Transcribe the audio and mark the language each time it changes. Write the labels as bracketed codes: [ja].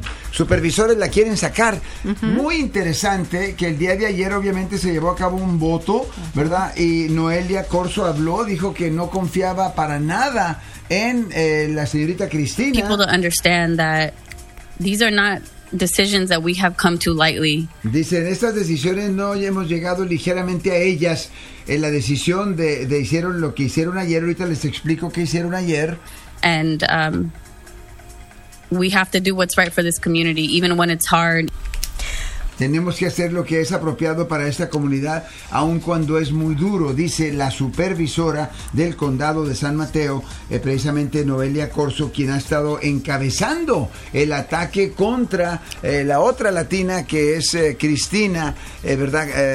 [es] Supervisores la quieren sacar. Uh-huh. Muy interesante que el día de ayer obviamente se llevó a cabo un voto, ¿verdad? Y Noelia Corzo habló, dijo que no confiaba para nada en la señorita Cristina. [en] People don't understand that these are not decisions that we have come to lightly. [es] Dicen, estas decisiones no hemos llegado ligeramente a ellas. En la decisión de hicieron lo que hicieron ayer, ahorita les explico qué hicieron ayer. [en] And we have to do what's right for this community, even when it's hard. [es] Tenemos que hacer lo que es apropiado para esta comunidad, aun cuando es muy duro, dice la supervisora del condado de San Mateo, precisamente Noelia Corzo, quien ha estado encabezando el ataque contra la otra latina, que es Cristina, ¿verdad?